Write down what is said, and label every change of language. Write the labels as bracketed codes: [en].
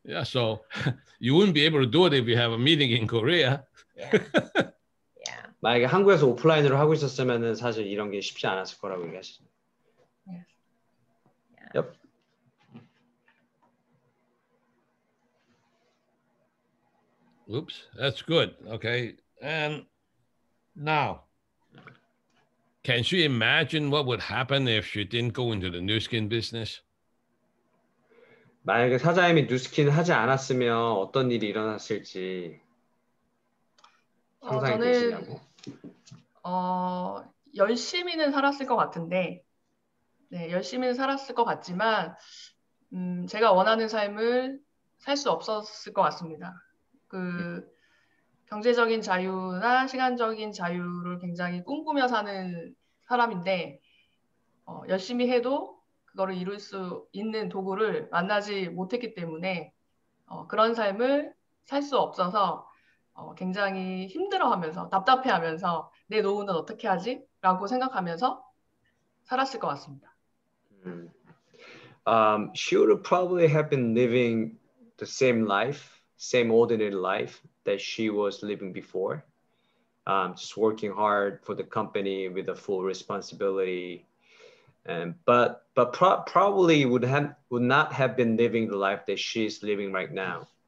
[en] Yeah, so you wouldn't be able to do it if you have a meeting in Korea. Yeah. Yeah. [ko] 만약에 한국에서 오프라인으로 하고 있었으면은 사실 이런 게 쉽지 않았을 거라고 얘기하시죠. [en] Yeah. Yep. Oops, that's good. Okay, and now, can she imagine what would happen if she didn't go into the Nu Skin business? [ko] 만약에 사장님이 Nu Skin 하지 않았으면 어떤 일이 일어났을지 상상이 되시냐고. 열심히는 살았을 것 같은데, 네, 열심히는 살았을 것 같지만, 제가 원하는 삶을 살 수 없었을 것 같습니다. 그 경제적인 자유나 시간적인 자유를 굉장히 꿈꾸며 사는 사람인데 열심히 해도 그거를 이룰 수 있는 도구를 만나지 못했기 때문에 그런 삶을 살 수 없어서 굉장히 힘들어하면서 답답해하면서 내 노후는 어떻게 하지? 라고 생각하면서 살았을 것 같습니다. [en] She would probably have been living the same life, same ordinary life that she was living before, just working hard for the company with a full responsibility. But probably would not have been living the life that she's living right now.